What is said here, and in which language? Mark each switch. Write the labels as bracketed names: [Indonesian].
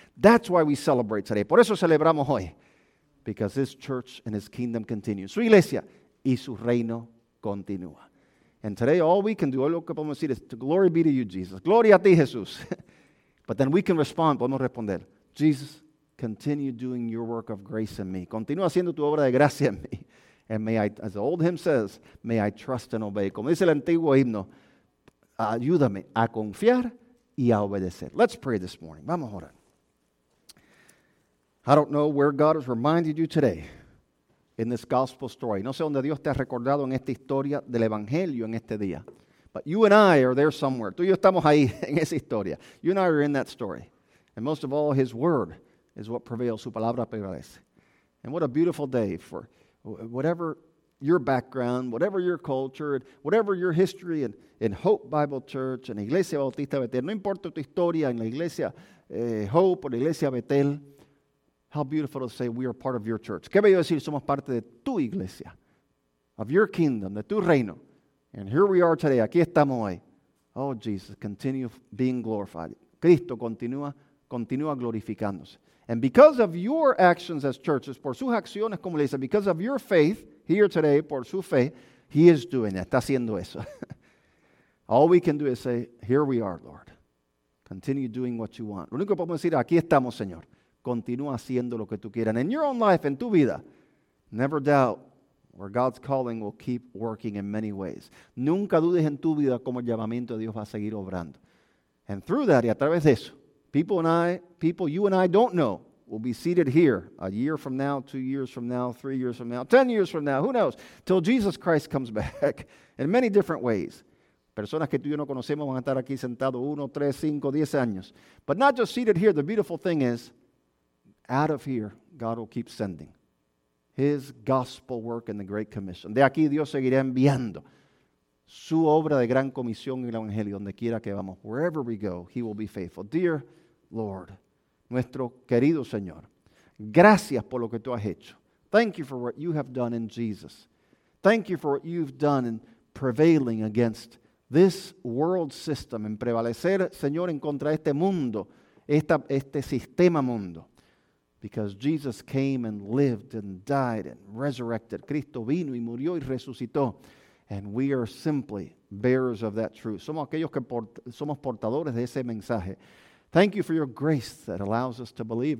[English] That's why we celebrate today. [Spanish] Por eso celebramos hoy. [English] Because his church and his kingdom continue. [Spanish] Su iglesia y su reino continúa. [English] And today all we can do, all [Spanish] lo que podemos decir es, [English] to glory be to you, Jesus. [Spanish] Gloria a ti, Jesús. [English] But then we can respond, [Spanish] podemos responder, [English] Jesus, continue doing your work of grace in me. [Spanish] Continúa haciendo tu obra de gracia en mí. [English] And may I, as the old hymn says, may I trust and obey. [Spanish] Como dice el antiguo himno, ayúdame a confiar y a obedecer. [English] Let's pray this morning. [Spanish] Vamos a orar. [English] I don't know where God has reminded you today in this gospel story. [Spanish] No sé dónde Dios te ha recordado en esta historia del evangelio en este día. [English] But you and I are there somewhere. [Spanish] Tú y yo estamos ahí en esa historia. [English] You and I are in that story. And most of all, his word is what prevails. [Spanish] Su palabra prevalece. [English] And what a beautiful day for whatever your background, whatever your culture, and whatever your history in Hope Bible Church and Iglesia Bautista Betel. [Spanish] No importa tu historia en la Iglesia Hope o la Iglesia Betel. [English] How beautiful to say we are part of your church. [Spanish] Qué bello decir somos parte de tu iglesia, [English] of your kingdom, [Spanish] de tu reino. [English] And here we are today, [Spanish] aquí estamos hoy. [English] Oh, Jesus, continue being glorified. [Spanish] Cristo continúa glorificándose. [English] And because of your actions as churches, [Spanish] por sus acciones como iglesia, [English] because of your faith here today, [Spanish] por su fe, [English] he is doing that, [Spanish] está haciendo eso. [English] All we can do is say, here we are, Lord. Continue doing what you want. [Spanish] Lo único que podemos decir, aquí estamos, Señor. Continúa haciendo lo que tú quieras. [English] And in your own life, [Spanish] en tu vida, [English] never doubt where God's calling will keep working in many ways. [Spanish] Nunca dudes en tu vida cómo el llamamiento de Dios va a seguir obrando. [English] And through that, [Spanish] y a través de eso, [English] people you and I don't know will be seated here a year from now, 2 years from now, 3 years from now, 10 years from now, who knows, till Jesus Christ comes back in many different ways. [Spanish] Personas que tú y yo no conocemos van a estar aquí sentados 1, 3, 5, 10 años. [English] But not just seated here, the beautiful thing is, out of here, God will keep sending his gospel work in the Great Commission. [Spanish] De aquí Dios seguirá enviando su obra de gran comisión y el evangelio donde quiera que vamos. [English] Wherever we go, he will be faithful. Dear Lord, [Spanish] nuestro querido Señor, gracias por lo que tú has hecho. [English] Thank you for what you have done in Jesus. Thank you for what you've done in prevailing against this world system, [Spanish] en prevalecer, Señor, en contra de este mundo, este sistema mundo. [English] Because Jesus came and lived and died and resurrected. [Spanish] Cristo vino y murió y resucitó. [English] And we are simply bearers of that truth. [Spanish] Somos aquellos que somos portadores de ese mensaje. [English] Thank you for your grace that allows us to believe.